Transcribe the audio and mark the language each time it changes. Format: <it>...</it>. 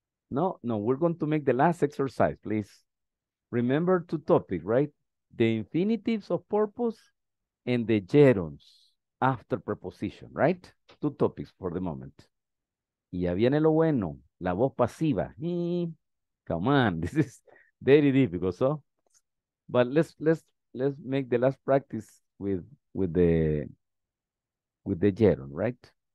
<en>No, no, we're going to make the last exercise, please. Remember two topics, right? The infinitives of purpose and the gerunds after preposition, right? Two topics for the moment.</en> <es>Y ya viene lo bueno, la voz pasiva.</es> <en>Come on, this is very difficult. So, but let's make the last practice with the gerund, right?</en>